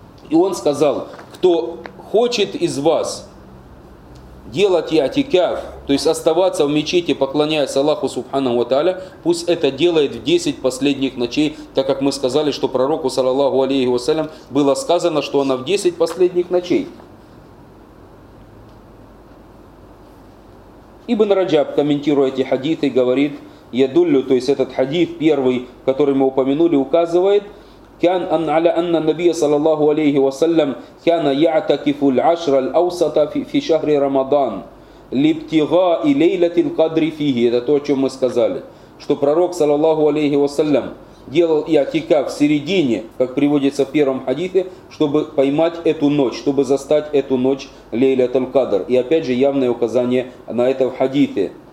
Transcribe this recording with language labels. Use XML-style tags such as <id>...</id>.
<ru>И он сказал, кто хочет из вас делать иатикаф, то есть оставаться в мечети, поклоняясь Аллаху Субхану ва Тааля, пусть это делает в 10 последних ночей, так как мы сказали, что пророку, саллаллаху алейхи вассалям, было сказано, что она в 10 последних ночей. Ибн Раджаб, комментируя эти хадиты, говорит, ядуллю, то есть этот хадит первый, который мы упомянули, указывает,</ru> <ar>كان أن على أن النبي صلى الله عليه وسلم كان يعتكف العشر الأوسط في شهر رمضان لابتغاء ليلة القدر فيه.</ar> <ru>Это то, о чем мы сказали, что пророк صلى الله عليه وسلم делал иатика в середине, как приводится в первом хадисе, чтобы поймать эту ночь, чтобы застать эту ночь Лейлят аль-Кадр. И опять же явное указание на это в хадисе.</ru>